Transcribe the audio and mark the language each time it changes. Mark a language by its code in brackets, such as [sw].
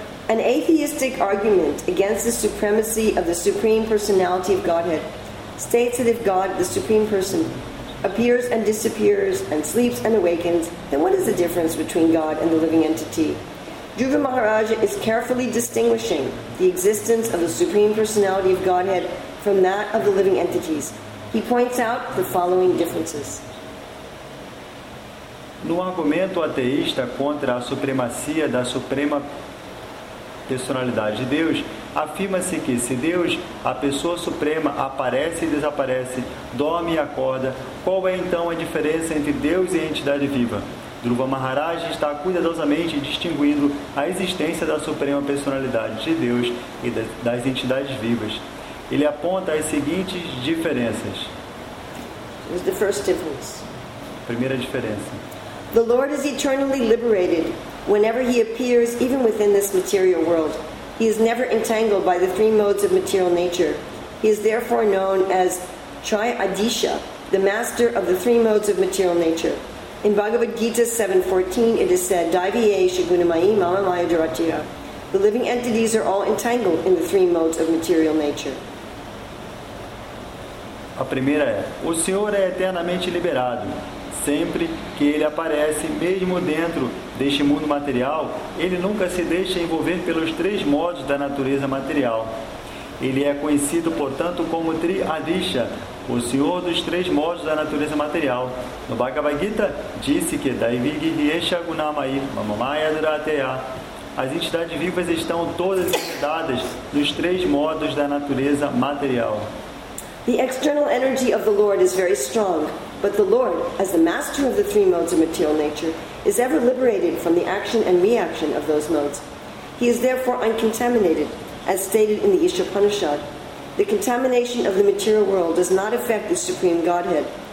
[en] An atheistic argument against the supremacy of the Supreme Personality of Godhead states that if God, the Supreme Person, appears and disappears and sleeps and awakens, then what is the difference between God and the living entity? Dhruva Maharaja is carefully distinguishing the existence of the Supreme Personality of Godhead from that of the living entities. He points out the following differences. [pt] No argumento ateísta contra a supremacia da suprema personalidade de Deus, afirma-se que se Deus, a pessoa suprema, aparece e desaparece, dorme e acorda, qual é então a diferença entre Deus e a entidade viva? Dhruva Maharaj está cuidadosamente distinguindo a existência da suprema personalidade de Deus e das entidades vivas. Ele aponta as seguintes diferenças. [en] The first difference. [pt] Primeira diferença. [en] The Lord is eternally liberated whenever he appears even within this material world. He is never entangled by the three modes of material nature. He is therefore known as Tri-Adisha, the master of the three modes of material nature. In Bhagavad Gita 7.14 it is said, [sa] Daiviye Shigunamai Mama Maya Dharatira. [en] The living entities are all entangled in the three modes of material nature. [pt] A primeira é, o Senhor é eternamente liberado. Sempre que ele aparece, mesmo dentro deste mundo material, ele nunca se deixa envolver pelos três modos da natureza material. Ele é conhecido, portanto, como Tri-Adisha, o senhor dos três modos da natureza material. No Bhagavad Gita, disse que as entidades vivas estão todas ligadas nos três modos da natureza material. [en] The external energy of the Lord is very strong. But the Lord, as the master of the three modes of material nature, is ever liberated from the action and reaction of those modes. He is therefore uncontaminated, as stated in the Ishopanishad. The contamination of the material world does not affect the Supreme Godhead.